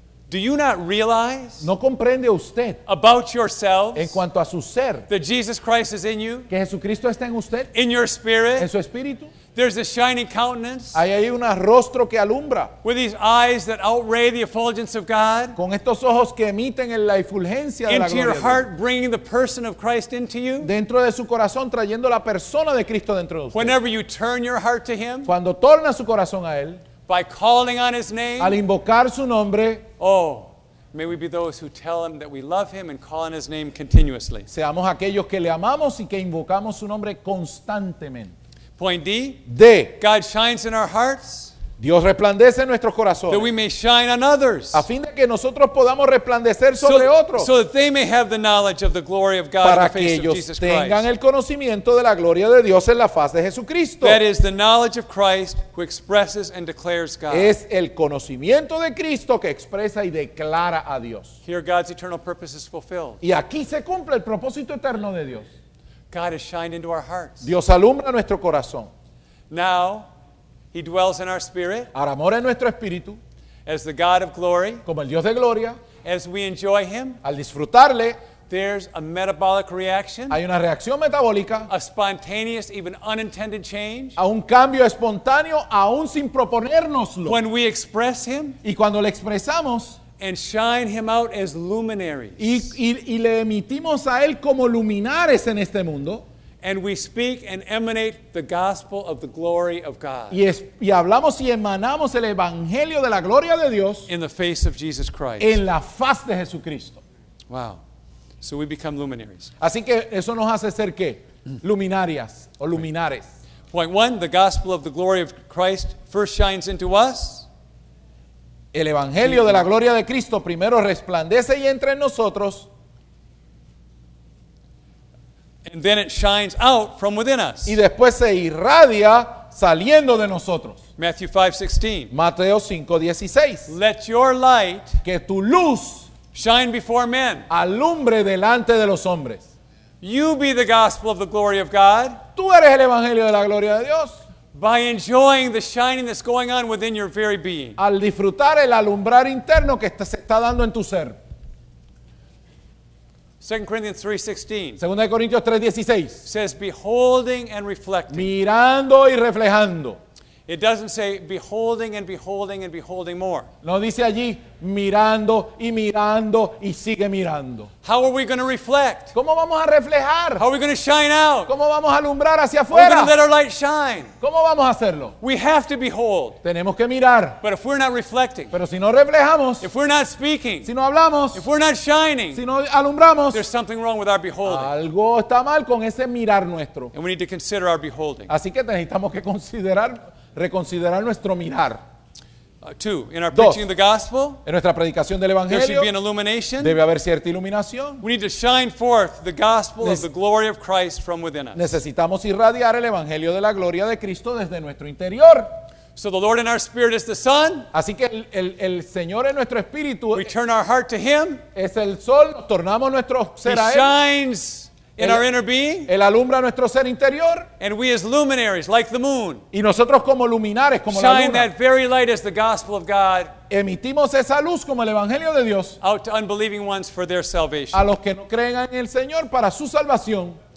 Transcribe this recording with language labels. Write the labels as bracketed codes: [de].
[en] Do you not realize, [es] ¿no comprende usted, [en] about yourselves, [es] en cuanto a su ser, [en] that Jesus Christ is in you? [es] Que Jesucristo está en usted. [en] In your spirit, [es] en su espíritu. [en] There's a shining countenance. [es] Hay ahí un rostro que alumbra. [en] With these eyes that outray the effulgence of God. [es] Con estos ojos que emiten la efulgencia de la gloria. [en] Into your heart, bringing the person of Christ into you. [es] Dentro de su corazón, trayendo la persona de Cristo dentro de usted. [en] Whenever you turn your heart to Him. [es] Cuando torna su corazón a Él. [en] By calling on His name. [es] Al invocar su nombre. [en] Oh, may we be those who tell Him that we love Him and call on His name continuously. [es] Seamos aquellos que le amamos y que invocamos su nombre constantemente. [en] Point D. D. God shines in our hearts. [es] Dios resplandece en nuestros corazones. [en] That we may shine on others. [es] A fin de que nosotros podamos resplandecer sobre otros. [en] So that they may have the knowledge of the glory of God in the face of Jesus Christ. [es] Para que ellos tengan el conocimiento de la gloria de Dios en la faz de Jesucristo. [en] That is the knowledge of Christ who expresses and declares God. [es] Es el conocimiento de Cristo que expresa y declara a Dios. [en] Here God's eternal purpose is fulfilled. [es] Y aquí se cumple el propósito eterno de Dios. [en] God has shined into our hearts. [es] Dios alumbra nuestro corazón. [en] Now, He dwells in our spirit. [es] Ahora mora en nuestro espíritu. [en] As the God of glory. [es] Como el Dios de gloria. [en] As we enjoy Him. [es] Al disfrutarle. [en] There's a metabolic reaction. [es] Hay una reacción metabólica. [en] A spontaneous, even unintended change. [es] A un cambio espontáneo, aún sin proponérnoslo. [en] When we express Him. [es] Y cuando le expresamos. [en] And shine Him out as luminaries. [es] Y le emitimos a Él como luminares en este mundo. [en] And we speak and emanate the gospel of the glory of God. [es] Y hablamos y emanamos el evangelio de la gloria de Dios. [en] In the face of Jesus Christ. [es] En la faz de Jesucristo. [en] Wow. So we become luminaries. [es] Así que eso nos hace ser qué? Luminarias o luminares. [en] Point one, the gospel of the glory of Christ first shines into us. [es] El evangelio de la gloria de Cristo primero resplandece y entra en nosotros. [en] And then it shines out from within us. [es] Y después se irradia saliendo de nosotros. [en] Matthew 5:16. [es] Mateo 5:16. [en] Let your light, [es] que tu luz, [en] shine before men. [es] Alumbre delante de los hombres. [en] You be the gospel of the glory of God. [es] Tú eres el evangelio de la gloria de Dios. [en] By enjoying the shining that's going on within your very being. [es] Al disfrutar el alumbrar interno que se está dando en tu ser. [en] 2 Corinthians 3:16 says, beholding and reflecting. [es] Mirando y reflejando. [en] It doesn't say beholding and beholding and beholding more. [es] No dice allí mirando y mirando y sigue mirando. [en] How are we going to reflect? [es] ¿Cómo vamos a reflejar? [en] How are we going to shine out? [es] ¿Cómo vamos a alumbrar hacia afuera? [en] We're going to let our light shine. [es] ¿Cómo vamos a hacerlo? [en] We have to behold. [es] Tenemos que mirar. [en] But if we're not reflecting. [es] Pero si no reflejamos. [en] If we're not speaking. [es] Si no hablamos. [en] If we're not shining. [es] Si no alumbramos. [en] There's something wrong with our beholding. [es] Algo está mal con ese mirar nuestro. [en] And we need to consider our beholding. [es] Así que necesitamos que reconsiderar nuestro mirar. [en] Two, in our preaching of the gospel, [es] en nuestra predicación del evangelio, [en] there should be an illumination. [es] Debe haber cierta iluminación. [en] We need to shine forth the gospel of the glory of Christ from within us. [es] Necesitamos irradiar el evangelio de la gloria de Cristo desde nuestro interior. [en] So the Lord in our spirit is the sun. [es] Así que el Señor en nuestro espíritu. [en] We turn our heart to Him. [es] Es el sol. Nos tornamos nuestro ser a él. [en] He shines in our inner being. [es] Él alumbra nuestro ser interior. [en] And we as luminaries, like the moon. [es] Y nosotros como luminares, como la luna. [en] Shine that very light as the gospel of God. [es] Emitimos esa luz como el evangelio de Dios. [en] Out to unbelieving ones for their salvation. [es] A los que no creen en el Señor para su salvación.